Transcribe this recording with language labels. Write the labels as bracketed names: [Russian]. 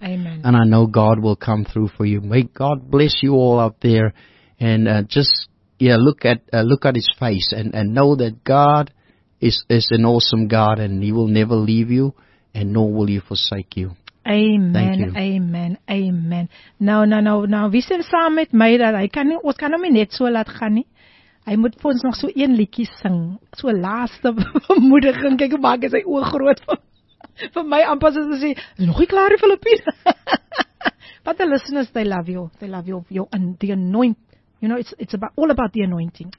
[English] Amen. And I know God will come through for you. May God bless you all out there. And look at his face and know that God is an awesome God and he will never leave you and nor will he forsake you. Amen, amen, amen. [Afrikaans] Nou, wie sê saam met my dat hy kan nie, ons kan hom nie net so laat gaan nie. Hy moet vir ons nog so 1 liedjie sing. So laaste bemoediging, kyk, maak hy sy oë groot. Vir my amper soos hy sê, nog nie klaar in Filippine. [English] But the listeners, they love you. They love you. You're in the anointing. You know, it's about all about the anointing.